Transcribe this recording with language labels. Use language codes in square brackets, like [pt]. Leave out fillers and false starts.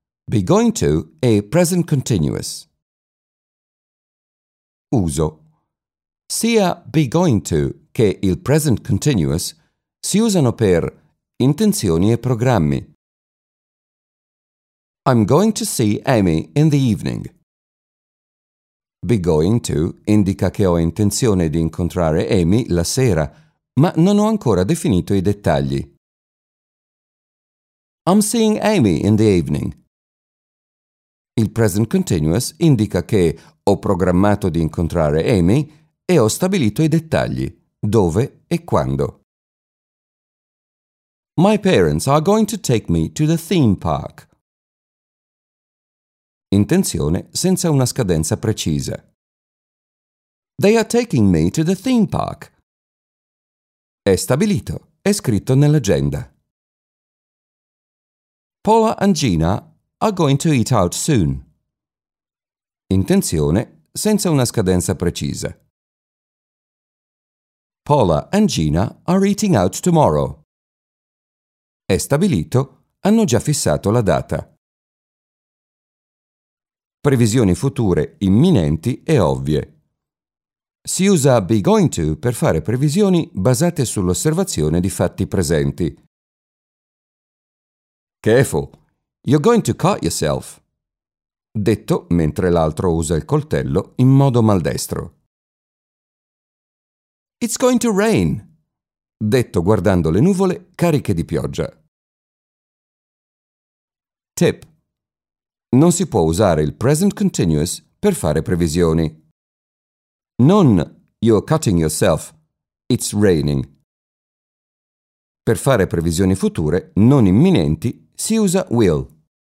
[it] Be going to e present continuous. Uso. Sia be going to che il present continuous si usano per intenzioni e programmi. [en] I'm going to see Amy in the evening. [it] Be going to indica che ho intenzione di incontrare Amy la sera, ma non ho ancora definito i dettagli. [en] I'm seeing Amy in the evening. [it] Il present continuous indica che ho programmato di incontrare Amy e ho stabilito i dettagli, dove e quando. [en] My parents are going to take me to the theme park. [it] Intenzione senza una scadenza precisa. [en] They are taking me to the theme park. [it] È stabilito, è scritto nell'agenda. [en] Paula and Gina are going to eat out soon. [it] Intenzione senza una scadenza precisa. [en] Paula and Gina are eating out tomorrow. [it] È stabilito, hanno già fissato la data. Previsioni future imminenti e ovvie. Si usa be going to per fare previsioni basate sull'osservazione di fatti presenti. [en] Careful, you're going to cut yourself. [it] Detto mentre l'altro usa il coltello in modo maldestro. [en] It's going to rain. [it] Detto guardando le nuvole cariche di pioggia. Tip. Non si può usare il present continuous per fare previsioni. [en] Non you're cutting yourself, it's raining. [it] Per fare previsioni future non imminenti si usa will.